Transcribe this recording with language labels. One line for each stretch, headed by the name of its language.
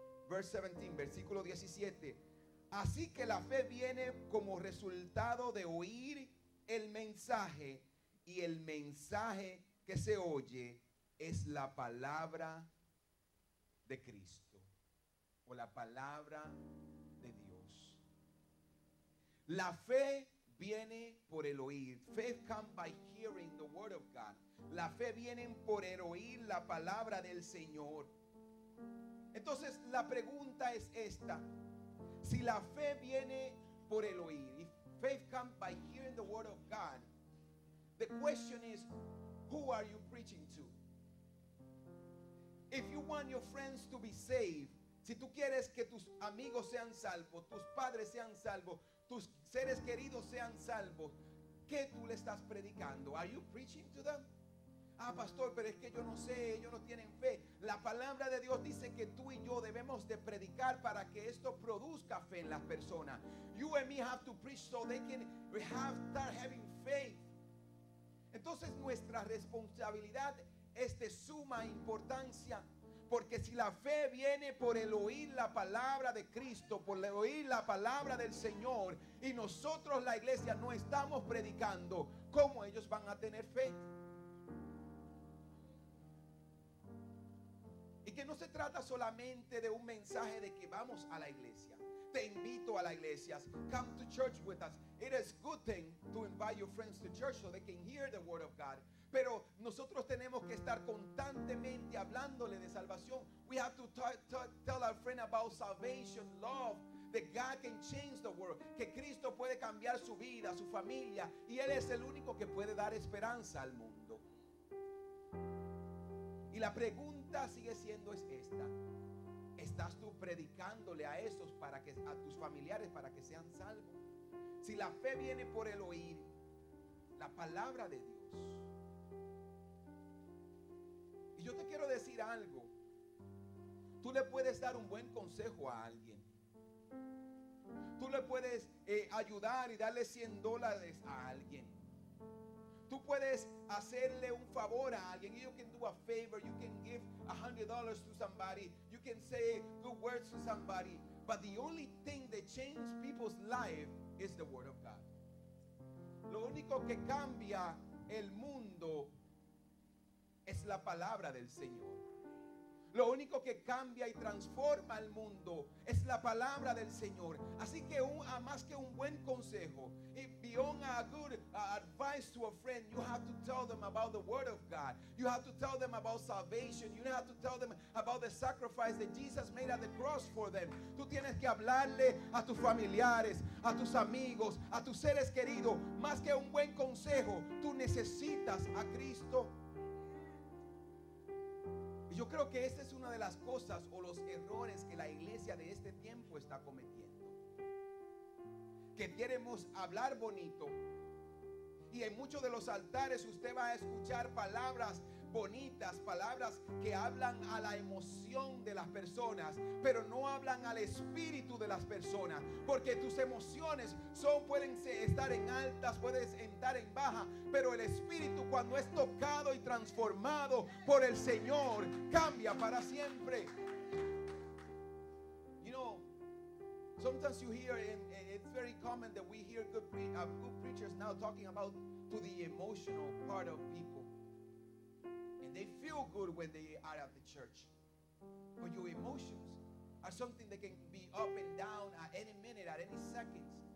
English: Verse 17,
Spanish: versículo 17. Así que la fe viene como resultado de oír el mensaje, y el mensaje que se oye es la palabra de Cristo, o la palabra de Dios. La fe viene por el oír.
English: Faith comes by hearing the word of God.
Spanish: La fe viene por el oír la palabra del Señor. Entonces la pregunta es esta: si la fe viene por el oír,
English: if faith comes by hearing the word of God, the question is, who are you preaching to? If you want your friends to be saved,
Spanish: si tú quieres que tus amigos sean salvos, tus padres sean salvos, tus seres queridos sean salvos, ¿qué tú le estás predicando?
English: Are you preaching to them?
Spanish: Ah, pastor, pero es que yo no sé, ellos no tienen fe. La palabra de Dios dice que tú y yo debemos de predicar para que esto produzca fe en las personas.
English: You and me have to preach so they can start having faith.
Spanish: Entonces nuestra responsabilidad es de suma importancia, porque si la fe viene por el oír la palabra de Cristo, por el oír la palabra del Señor, y nosotros la iglesia no estamos predicando, ¿cómo ellos van a tener fe? Y que no se trata solamente de un mensaje de que vamos a la iglesia. Te invito a la iglesia.
English: Come to church with us. It is good thing to invite your friends to church so they can hear the word of God.
Spanish: Pero nosotros tenemos que estar constantemente hablándole de salvación.
English: We have to tell our friend about salvation, love, that God can change the world,
Spanish: que Cristo puede cambiar su vida, su familia, y Él es el único que puede dar esperanza al mundo. Y la pregunta sigue siendo es esta: ¿estás tú predicándole a esos, para que, a tus familiares, para que sean salvos? Si la fe viene por el oír la palabra de Dios. Y yo te quiero decir algo: tú le puedes dar un buen consejo a alguien, tú le puedes ayudar y darle $100 a alguien, tú puedes hacerle un favor a alguien.
English: You can do a favor, you can give $100 to somebody, you can say good words to somebody. But the only thing that changes people's life is the word of God.
Spanish: Lo único que cambia el mundo es la palabra del Señor. Lo único que cambia y transforma el mundo es la palabra del Señor. Así que más que un buen consejo,
English: beyond a good advice to a friend, you have to tell them about the word of God. You have to tell them about salvation. You have to tell them about the sacrifice that Jesus made at the cross for them.
Spanish: Tú tienes que hablarle a tus familiares, a tus amigos, a tus seres queridos. Más que un buen consejo, tú necesitas a Cristo. Yo creo que esta es una de las cosas o los errores que la iglesia de este tiempo está cometiendo. Que queremos hablar bonito, y en muchos de los altares usted va a escuchar palabras bonitas, palabras que hablan a la emoción de las personas, pero no hablan al espíritu de las personas. Porque tus emociones pueden estar en altas, puedes estar en baja, pero el espíritu, cuando es tocado y transformado por el Señor, cambia para siempre.
English: You know, sometimes you hear, and it's very common that we hear good preachers now talking about to the emotional part of people. They feel good when they are at the church. But your emotions are something that can be up and down at any minute, at any second.